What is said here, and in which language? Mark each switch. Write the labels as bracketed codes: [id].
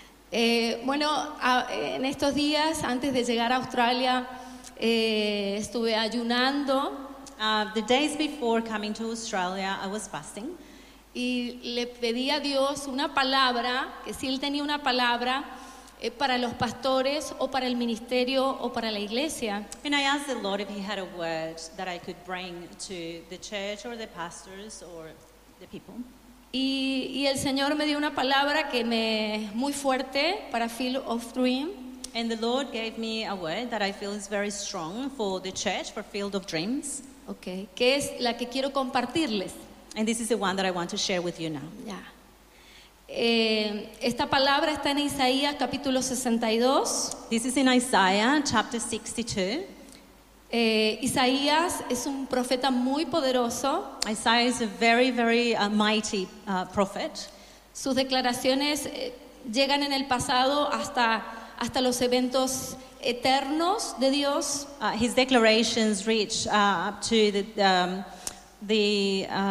[es] En estos días, antes de llegar a Australia, estuve ayunando. [en] The days before coming to Australia, I was fasting. [es] Y le pedí a Dios una palabra, que si Él tenía una palabra para los pastores o para el ministerio o para la iglesia. [en] And I asked the Lord if He had a word that I could bring to the church or the pastors or the people. [es] Y el Señor me dio una palabra que me muy fuerte para Field of Dreams. [en] And the Lord gave me a word that I feel is very strong for the church, for Field of Dreams. [es] Okay, que es la que quiero compartirles. [en] And this is the one that I want to share with you now. Yeah. [es] Esta palabra está en Isaías capítulo 62. [en] This is in Isaiah chapter 62. [es] Isaías es un profeta muy poderoso. [en] Isaiah is a very, very mighty prophet. [es] Sus declaraciones llegan en el pasado hasta los eventos eternos de Dios. [en] His declarations reach up to the